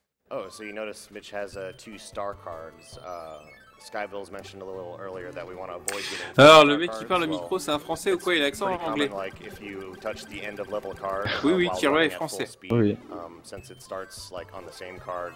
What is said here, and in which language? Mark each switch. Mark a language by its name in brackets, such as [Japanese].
[English] Oh, so you notice Mitch has two star cards. Skyville's mentioned a little earlier that we want to avoid getting star cards. [French] Alors, le mec qui parle au micro, c'est un français ou quoi? Il a accent anglais. [English] Like if you touch the end of level card. [French] Oui, oui, Kira est français. Oui. [English] Since it starts like on the same card.